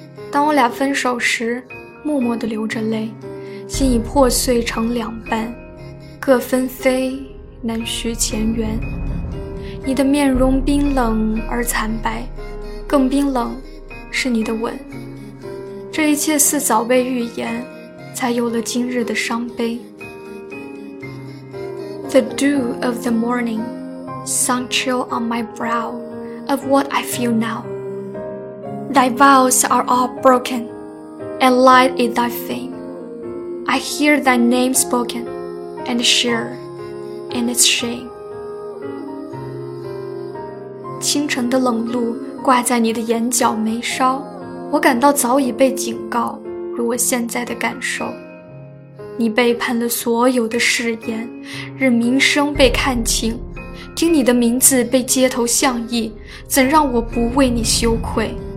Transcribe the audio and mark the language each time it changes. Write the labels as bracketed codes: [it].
[zh] 当我俩分手时，默默地流着泪，心已破碎成两半，各分飞，难续前缘。你的面容冰冷而惨白，更冰冷是你的吻。这一切似早被预言，才有了今日的伤悲。 [en] The dew of the morning sunk chill on my brow of what I feel now. Thy vows are all broken, and light is thy fame. I hear thy name spoken, and share in its shame. [zh] 清晨的冷露挂在你的眼角眉梢，我感到早已被警告，如我现在的感受。你背叛了所有的誓言，任名声被看清，听你的名字被街头巷议，怎让我不为你羞愧。